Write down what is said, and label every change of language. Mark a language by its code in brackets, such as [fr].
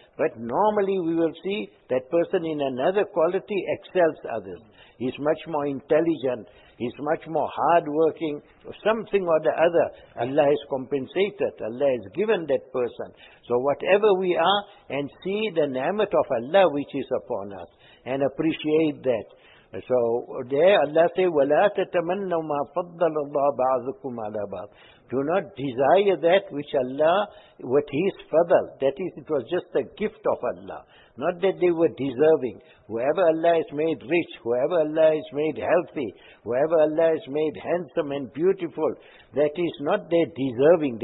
[en] But normally we will see that person in another quality excels others. He's much more intelligent. He's much more hardworking. Something or the other, Allah has compensated. Allah has given that person. So whatever we are, and see the ni'mat of Allah which is upon us, and appreciate that. So there Allah says, [ar] وَلَا تَتَمَنَّوا مَا فَضَّلَ اللَّهُ بَعْضُكُمْ عَلَى بَعْضٍ. [en] Do not desire that which Allah, what His fadl, that is, it was just a gift of Allah. Not that they were deserving. Whoever Allah has made rich, whoever Allah has made healthy, whoever Allah has made handsome and beautiful, that is not their deserving.